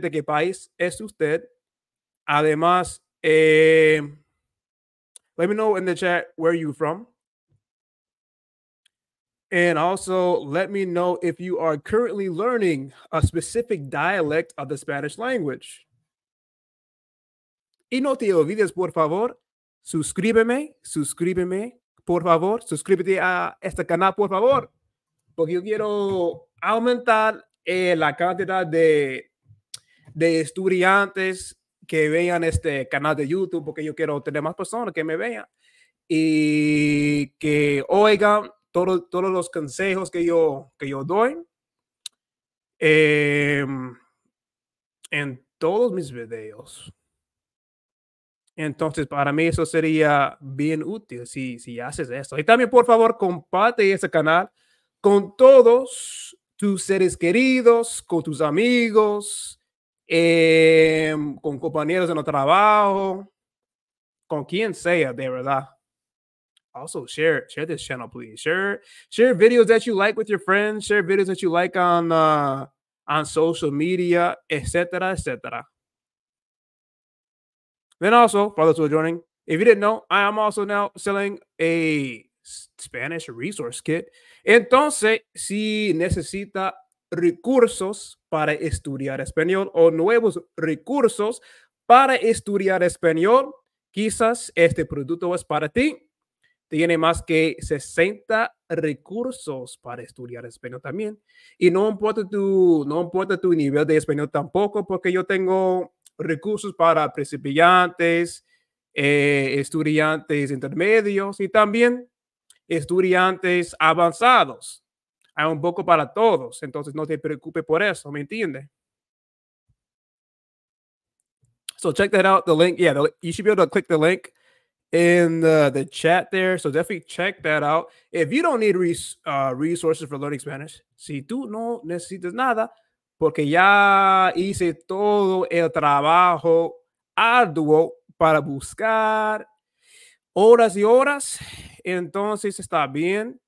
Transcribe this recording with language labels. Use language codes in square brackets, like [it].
[es] ¿De qué país es usted? Además, [en] let me know in the chat where you're from. And also, let me know if you are currently learning a specific dialect of the Spanish language. [es] Y no te olvides, por favor, suscríbeme, por favor, suscríbete a este canal, por favor, porque yo quiero aumentar la cantidad de estudiantes que vean este canal de YouTube, porque yo quiero tener más personas que me vean y que oigan todos los consejos que yo doy en todos mis videos. Entonces, para mí eso sería bien útil si haces eso. Y también, por favor, comparte este canal con todos tus seres queridos, con tus amigos, con compañeros en el trabajo, con quien sea, de verdad. [en] Also, share this channel, please. Share videos that you like with your friends. Share videos that you like on social media, etc., etc. Then also, for those who are joining, if you didn't know, I am also now selling a Spanish resource kit. [es] Entonces, si necesita recursos para estudiar español o nuevos recursos para estudiar español, quizás este producto es para ti. Tiene más que 60 recursos para estudiar español también. Y no importa tu nivel de español tampoco, porque yo tengo recursos para principiantes, estudiantes intermedios y también estudiantes avanzados. Hay un poco para todos, entonces no te preocupes por eso, ¿me entiendes? [en] So check that out, the link. Yeah, you should be able to click the link in the chat there. So definitely check that out. If you don't need resources for learning Spanish, [es] si tú no necesitas nada, porque ya hice todo el trabajo arduo para buscar horas y horas, entonces está bien.